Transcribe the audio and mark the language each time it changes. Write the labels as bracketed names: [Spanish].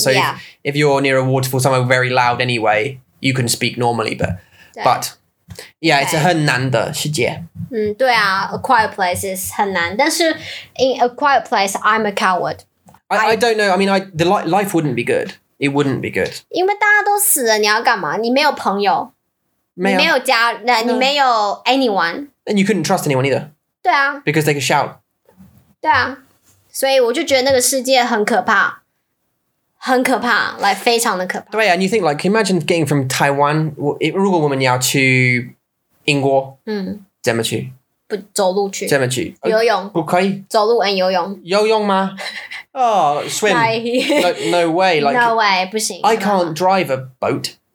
[English] So if you're near a waterfall, somewhere very loud anyway, you can speak normally. But it's a [Chinese] 很难的世界。对啊 [English] ，A Quiet Place is [Chinese] 很难。但是 [English] in A Quiet Place, I'm a coward. I don't know. I mean, the life wouldn't be good. It wouldn't be good. [Chinese] 因为大家都死了，你要干嘛？你没有朋友，没有你没有家，那、 [English] no. [Chinese] 你没有 anyone. [English] And you couldn't trust anyone either. [Chinese] 对啊。 [English] Because they could shout. [Chinese] 对啊，所以我就觉得那个世界很可怕，很可怕 ，like 非常的可怕。对啊 [English] ，and you think like imagine getting from Taiwan. [Chinese] 如果我们要去英国，嗯，怎么去？不走路去？怎么去？游泳？不可以。走路 and 游泳？游泳吗？ [English] Oh, swim. No way. Like, no way, [Chinese] 不行。 [English] I can't drive a boat.